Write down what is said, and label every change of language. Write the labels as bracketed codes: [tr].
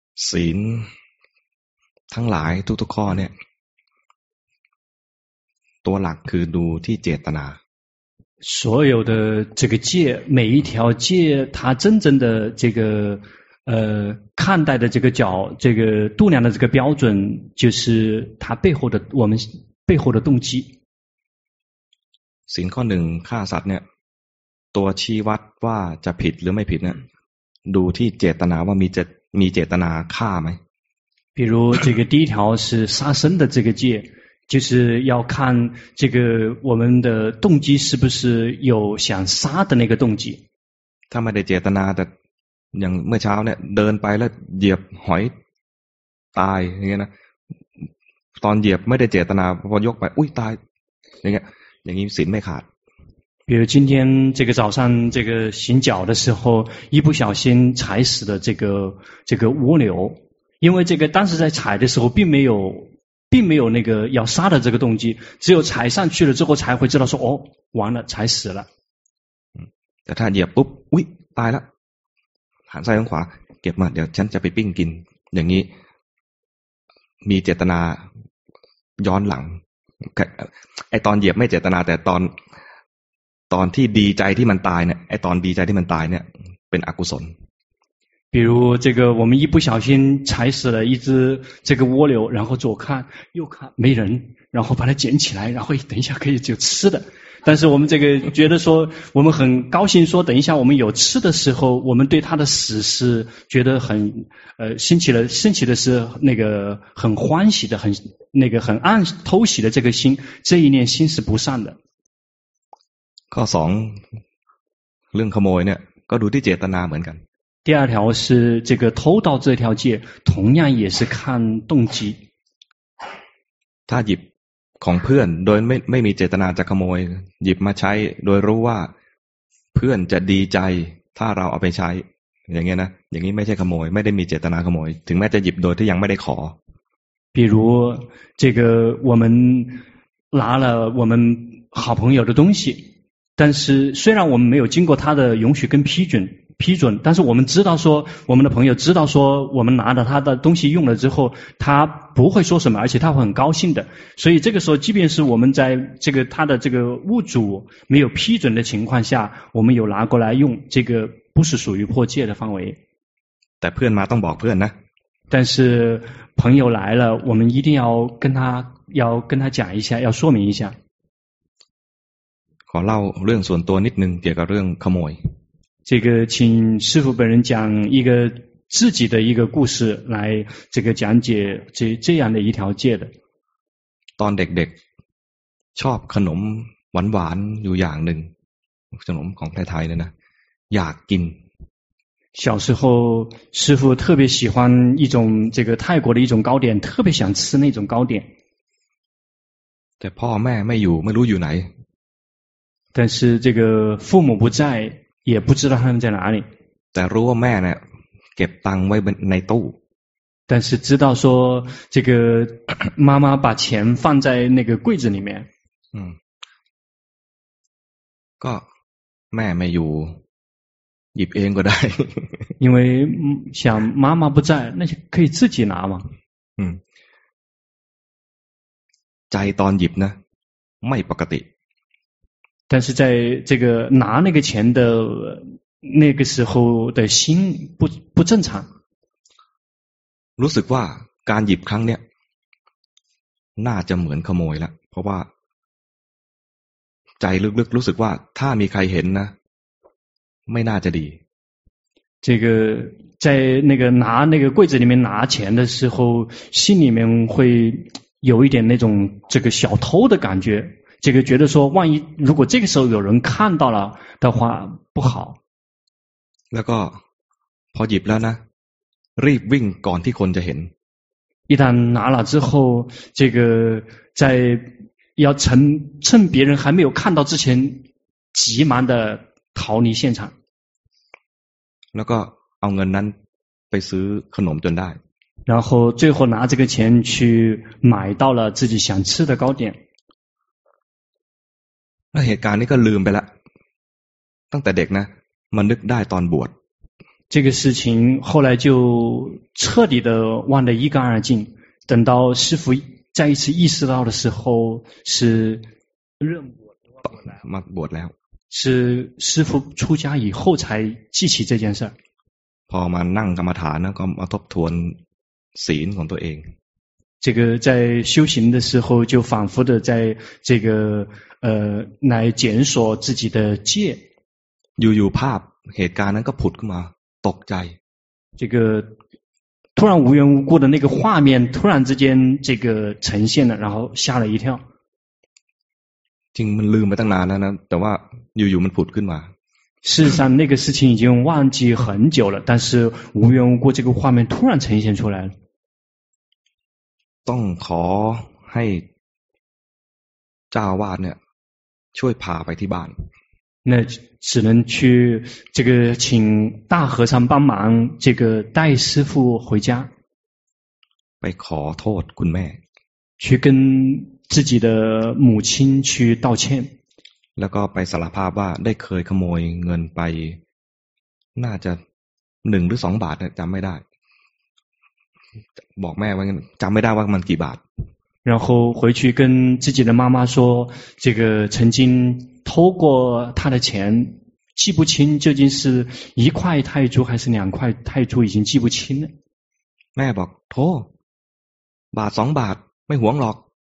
[th] ศีลทั้งหลายทุกๆข้อเนี่ยตัวหลักคือดูที่เจตนา [zh] 所有的这个戒每一条戒它真正的这个看待的这个角这个度量的这个标准就是它背后的我们背后的动机 [th] สิ่งข้อหนึ่งฆ่าสัตว์เนี่ยตัวชี้วัดว่าจะผิดหรือไม่ผิดเนี่ยดูที่เจตนาว่ามีเจตนาฆ่าไหม [zh] 比如这个第一条是杀生的这个戒就是要看这个我们的动机是不是有想杀的那个动机 [th] ถ้าไม่ได้เจตนาแต่อย่างเมื่อเช้าเนี่ยเดินไปแล้วเหยียบหอยตายอย่างเงี้ยนะตอนเหยียบไม่ได้เจตนาพอยกไปอุ้ยตายอย่างเงี้ยอย่างนี้ศีลไม่ขาด [zh] 比如今天这个早上这个行脚的时候，一不小心踩死的这个蜗牛，因为这个当时在踩的时候并没有那个要杀的这个动机，只有踩上去了之后才会知道说哦，完了，踩死了。 [th] 嗯，แต่ถ้าเหยียบปุ๊บอุ้ยตายแล้วหันซ้ายหันขวาเก็บมาเดี๋ยวฉันจะไปปิ้งกินอย่างนี้มีเจตนาย้อนหลังไอตอนเหยียบไม่เจตนาแต่ตอนที่ดีใจที่มันตายเนี่ยไอตอนดีใจที่มันตายเนี่ยเป็นอกุศล [zh] 比如这个我们一不小心踩死了一只这个蜗牛然后左看右看没人然后把它捡起来然后等一下可以就吃的但是我们这个觉得说我们很高兴说等一下我们有吃的时候我们对他的死是觉得很升起的是那个很欢喜的很那个很暗偷喜的这个心这一念心是不善的 [th] ข้อสองเรื่องขโมยเนี่ยก็ดูที่เจตนาเหมือนกัน [zh] 第二条是这个偷盗这条戒同样也是看动机 [th] ถ้าหยิบของเพื่อนโดยไม่มีเจตนาจะขโมยหยิบมาใช้โดยรู้ว่าเพื่อนจะดีใจถ้าเราเอาไปใช้อย่างเงี้ยนะอย่างนี้ไม่ใช่ขโมยไม่ได้มีเจตนาขโมยถึงแม้จะหยิบโดยที่ยังไม่ได้ขอ [zh] 比如这个我们拿了我们好朋友的东西但是虽然我们没有经过他的允许跟批准但是我们知道说我们的朋友知道说我们拿了他的东西用了之后他不会说什么而且他会很高兴的所以这个时候即便是我们在这个他的这个物主没有批准的情况下我们有拿过来用这个不是属于破戒的范围 [th] แต่เพื่อนมาต้องบอกเพื่อนนะ [zh] 但是朋友来了我们一定要跟他讲一下要说明一下 [th] ขอเล่าเรื่องส่วนตัวนิดนึงเกี่ยวกับเรื่องขโมย [zh] 这个请师父本人讲一个自己的一个故事来这个讲解这样的一条戒的 [th] ตอนเด็กๆชอบขนมหวานๆอยู่อย่างหนึ่งขนมของไทยๆเลยนะอยากกิน [zh] 小时候师父特别喜欢一种这个泰国的一种糕点特别想吃那种糕点 [th] แต่พ่อแม่ไม่อยู่ไม่รู้อยู่ไหน แต่ [zh] 是这个父母不在也不知道他们在哪里 [th] แต่รู้ว่าแม่เนี่ยเก็บตังค์ไว้ในตู้ [zh] 但是知道说这个妈妈把钱放在那个柜子里面 [th] ก็แม่ไม่อยู่หยิบเองก็ได้ [zh] 因为想妈妈不在那就可以自己拿嘛 [th] ใจตอนหยิบนะไม่ปกติ [zh] 但是在这个拿那个钱的那个时候的心不正常 [th] รู้สึกว่าการหยิบครั้งเนี้ยน่าจะเหมือนขโมยละเพราะว่าใจลึกๆรู้สึกว่าถ้ามีใครเห็นนะไม่น่าจะดี [zh] 这个在那个拿那个柜子里面拿钱的时候心里面会有一点那种这个小偷的感觉这个觉得说万一如果这个时候有人看到了的话不好 [th] แล้วก็พอหยิบแล้วนะรีบวิ่งก่อนที่คนจะเห็น [zh] 一旦拿了之后这个在要趁别人还没有看到之前急忙的逃离现场 [th] แล้วก็เอาเงินนั้นไปซื้อขนมจนได้ [zh] 然后最后拿这个钱去买到了自己想吃的糕点 [th] เหตุการณ์นี้ก็ลืมไปละตั้งแต่เด็กนะมันนึกได้ตอนบวช [zh] 这个事情后来就彻底的忘得一干二净等到师父再一次意识到的时候是认 [th] บวชมาบวชแล้ว [zh] 是师父出家以后才记起这件事 [th] พอมานั่งกรรมฐานก็มาทบทวนศีลของตัวเอง [zh] 这个在修行的时候就反复的在这个来检索自己的戒 [th] อยู่ๆภาพเหตุการณ์นั้นก็ผุดขึ้นมาตกใจ [zh] 这个突然无缘无故的那个画面突然之间这个呈现了然后吓了一跳 [th] จริงมันลืมไปตั้งนานแล้วนะแต่ว่าอยู่ๆมันผุดขึ้นมา [zh] 事实上那个事情已经忘记很久了但是无缘无故这个画面突然呈现出来了 [th] ต้องขอให้เจ้าอาวาสเนี่ยช่วยพาไปที่บ้าน [zh] 那只能去这个请大和尚帮忙这个带师父回家。 [th] ไปขอโทษคุณแม่ [zh] 去跟自己的母亲去道歉 [th] แล้วก็ไปสารภาพว่าได้เคยขโมยเงินไปน่าจะ1หรือ2บาทจำไม่ได้บอกแม่ว่าจำไม่ได้ว่ามันกี่บาท [zh] 然后回去跟自己的妈妈说这个曾经偷过他的钱记不清究竟是一块泰铢还是两块泰铢已经记不清了 [th] แม่บอกโทษบาท2บาทไม่หวงหรอก